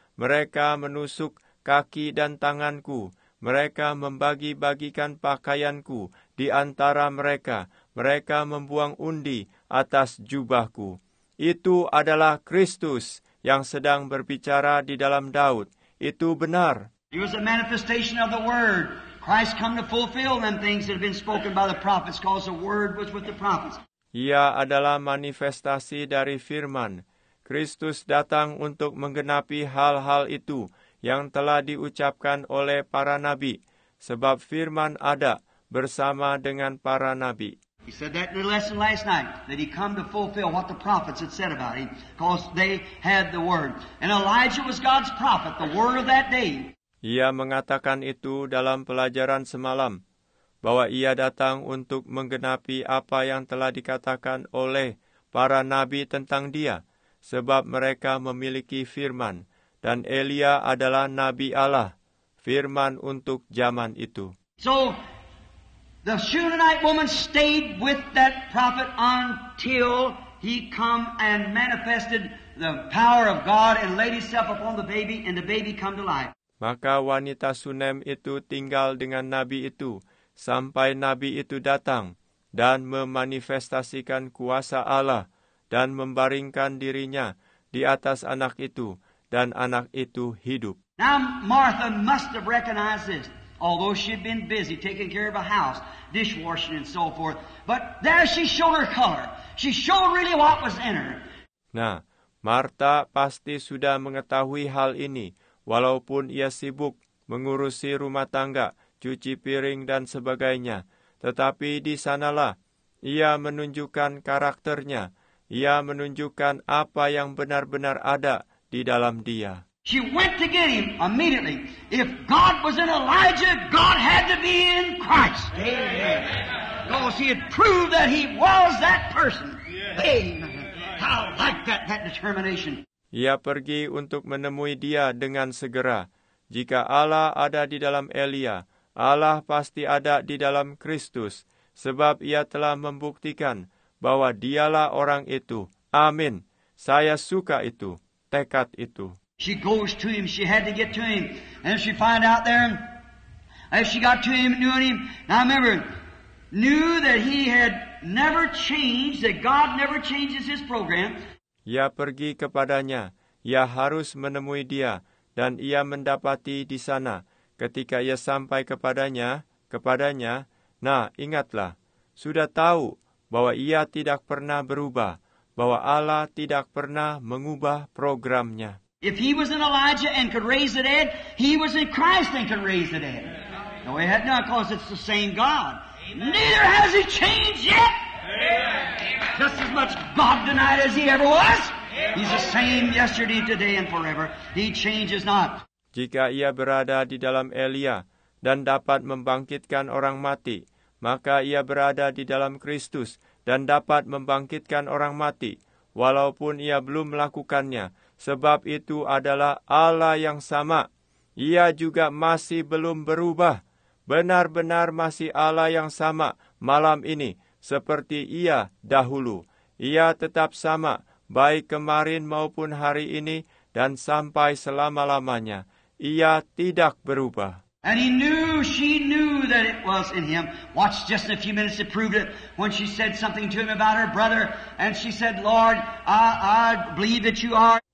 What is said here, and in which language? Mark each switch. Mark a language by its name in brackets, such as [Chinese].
[Indonesian] Mereka menusuk kaki dan tanganku. Mereka membagi-bagikan pakaianku di antara mereka. Mereka membuang undi atas jubahku. Itu adalah Kristus yang sedang berbicara di dalam Daud. Itu benar. [English] He was a manifestation of the word. Christ come to fulfill them things that have been spoken by the prophets, because the word was with the prophets. [Indonesian] Ia adalah manifestasi dari firman. Kristus datang untuk menggenapi hal-hal itu yang telah diucapkan oleh para nabi, sebab firman ada bersama dengan para nabi. [English] He said that little lesson last night, that he come to fulfill what the prophets had said about him, because they had the word. And Elijah was God's prophet, the word of that day. [Indonesian] Ia mengatakan itu dalam pelajaran semalam, bahwa ia datang untuk menggenapi apa yang telah dikatakan oleh para nabi tentang dia, sebab mereka memiliki firman, dan Elia adalah nabi Allah, firman untuk zaman itu. [English] So, the Shunammite woman stayed with that prophet until he come and manifested the power of God and laid himself upon the baby, and the baby come to life. [Indonesian] Maka wanita Sunem itu tinggal dengan nabi itu sampai nabi itu datang dan memanifestasikan kuasa Allah dan membaringkan dirinya di atas anak itu, dan anak itu hidup. [English] Now Martha must have recognized this. although she had been busy taking care of a house, dishwashing and so forth. But there she showed her color. She showed really what was in her. [Indonesian] Nah, Martha pasti sudah mengetahui hal ini, walaupun ia sibuk mengurusi rumah tangga, cuci piring, dan sebagainya. Tetapi di sanalah ia menunjukkan karakternya. Ia menunjukkan apa yang benar-benar ada di dalam dia. [English] She went to get him immediately. If God was in Elijah, God had to be in Christ. Amen. Because he had proved that he was that person. Amen. How like that determination. [Indonesian] Ia pergi untuk menemui dia dengan segera. Jika Allah ada di dalam Elia, Allah pasti ada di dalam Kristus, sebab ia telah membuktikan bahwa dialah orang itu. Amin. Saya suka itu. Tekad itu. [English] She goes to him. She had to get to him. And she find out there, as she got to him, knew him. Now remember, knew that he had never changed, that God never changes his program. [Indonesian] Ia pergi kepadanya. Ia harus menemui dia. Dan ia mendapati di sana, ketika ia sampai kepadanya, nah, ingatlah, sudah tahu bahwa ia tidak pernah berubah, bahwa Allah tidak pernah mengubah programnya. [English] If he was in Elijah and could raise the dead, he was in Christ and could raise the dead. No, he had not, because it's the same God. Amen. Neither has he changed yet. Amen. Just as much God denied as he ever was. He's the same yesterday, today, and forever. He changes not. [Indonesian] Jika ia berada di dalam Elia dan dapat membangkitkan orang mati, maka ia berada di dalam Kristus dan dapat membangkitkan orang mati, walaupun ia belum melakukannya, sebab itu adalah Allah yang sama. Ia juga masih belum berubah. Benar-benar masih Allah yang sama malam ini, seperti ia dahulu. Ia tetap sama, baik kemarin maupun hari ini, dan sampai selama-lamanya. Ia tidak berubah. [English] And he knew, she knew that it was in him. Watch just in a few minutes to prove it. When she said something to him about her brother, and she said, Lord, I believe that you are.